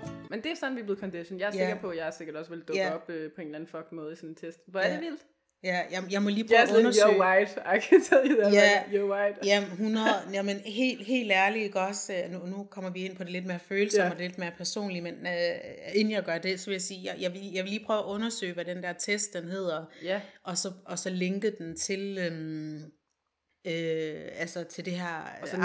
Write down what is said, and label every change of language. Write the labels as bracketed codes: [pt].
[da] Men det er sådan, vi er blevet conditioned. Jeg er, yeah, sikker på, at jeg sikkert også vil dukke, yeah, op på en eller anden fucked måde i sådan en test. Hvor, yeah, er det vildt. Ja, jeg må lige prøve at undersøge. [en] You're white, I can tell you that, yeah, like, you're white. [da] Jamen, 100, jamen helt ærligt, ikke også, nu kommer vi ind på det lidt mere følsomme, yeah, og lidt mere personligt, men inden jeg gør det, så vil jeg sige, jeg vil lige prøve at undersøge, hvad den der test, den hedder, yeah, og så linke den til, altså til det her afsnit.